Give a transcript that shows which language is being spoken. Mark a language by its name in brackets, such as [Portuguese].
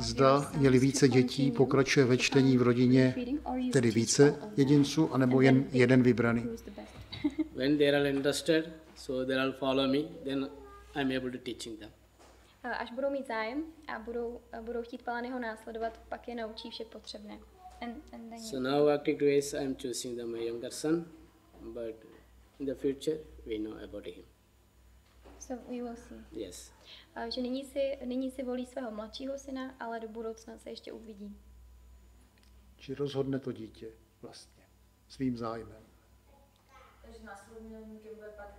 [Czech] Zda je-li více dětí, pokračuje ve čtení v rodině, tedy více jedinců, anebo jen jeden vybraný. [English] When they are interested, so they all follow me, then I'm able to teach them. [Czech] Až budou mít zájem a budou chtít Palaniho následovat, pak je naučí vše potřebné. [English] So now actually I'm choosing them, my younger son, but in the future we know about him. So we will see. Yes. [Czech] Že nyní si volí svého mladšího syna, ale do budoucna se ještě uvidí. Či rozhodne to dítě vlastně svým zájmem. Takže následníkem bude pak